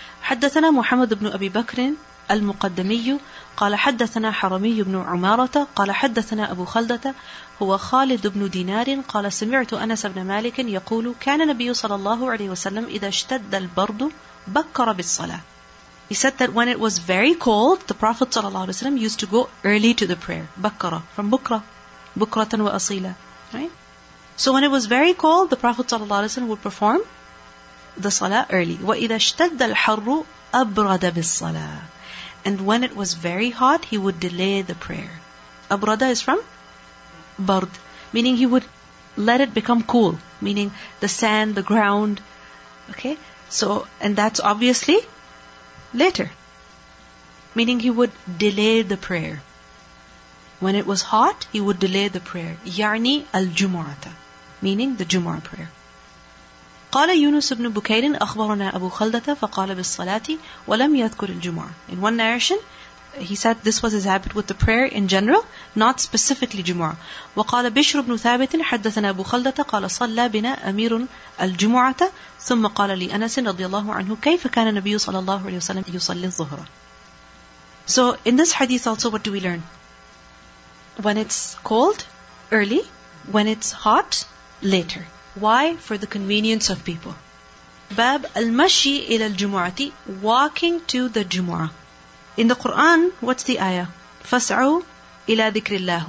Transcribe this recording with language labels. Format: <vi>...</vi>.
<ar>حَدَّثَنَا مُحَمَّدُ بْنُ أَبِي بَكْرٍ المقدمي قال حدثنا حرمي بن عمارة قال حدثنا أبو خلدة هو خالد بن دينار قال سمعت أنس بن مالك يقول كان النبي صلى الله عليه وسلم إذا اشتد البرد بكر بالصلاة.</ar> <en>He said that when it was very cold, the Prophet صلى الله عليه وسلم used to go early to the prayer.</en> <ar>بكرة, from بكرة, بكرة وأصيلة, right?</ar> <en>So when it was very cold, the Prophet صلى الله عليه وسلم would perform the salah early.</en> <ar>وإذا اشتد الحر أبرد بالصلاة.</ar> <en>And when it was very hot, he would delay the prayer. Abrada is from bard, meaning he would let it become cool, meaning the sand, the ground. Okay? So, and that's obviously later. Meaning he would delay the prayer. When it was hot, he would delay the prayer. Yarni al-jumu'ata, meaning the Jumu'ah prayer.</en> <ar>قال يونس بن بكير أخبرنا أبو خلدة فقال بالصلاة ولم يذكر الجمعة.</ar> <en>In one narration, he said this was his habit with the prayer in general, not specifically جمعة.</en> <ar>وقال بشر بن ثابت حدثنا أبو خلدة قال صلى بنا أمير الجمعة ثم قال لي أنس رضي الله عنه كيف كان النبي صلى الله عليه وسلم يصلي الظهر.</ar> <en>So in this hadith also, what do we learn? When it's cold, early. When it's hot, later. Why? For the convenience of people.</en> <ar>Bab al-mashi ila al-jumu'ati,</ar> <en>walking to the Jumu'ah. In the Quran, what's the ayah?</en> <ar>Fas'u ila dhikrillah.</ar>